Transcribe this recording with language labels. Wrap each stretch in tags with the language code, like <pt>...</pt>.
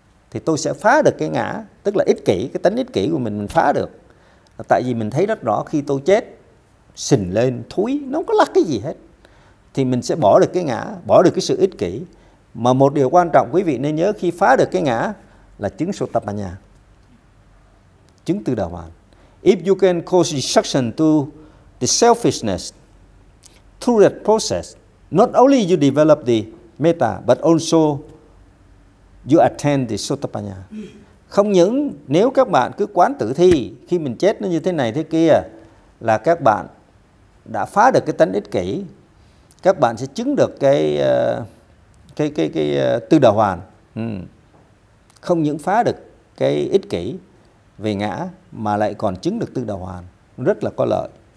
<vi>Thì tôi sẽ phá được cái ngã, tức là ích kỷ, cái tính ích kỷ của mình phá được. Tại vì mình thấy rất rõ khi tôi chết, sình lên, thúi, nó không có lắc cái gì hết. Thì mình sẽ bỏ được cái ngã, bỏ được cái sự ích kỷ. Mà một điều quan trọng quý vị nên nhớ, khi phá được cái ngã là chứng Sotapanna, chứng tự đạo hoàn.</vi> <en>If you can cause destruction to the selfishness through that process, not only you develop the metta, but also you attain the Sotapanna.</en> <vi>Không những nếu các bạn cứ quán tử thi, khi mình chết nó như thế này thế kia, là các bạn đã phá được cái tánh ích kỷ, các bạn sẽ chứng được cái tự đạo hoàn. Không những phá được cái ích kỷ về ngã mà lại còn chứng được tự đạo hoàn, rất là có lợi.</vi>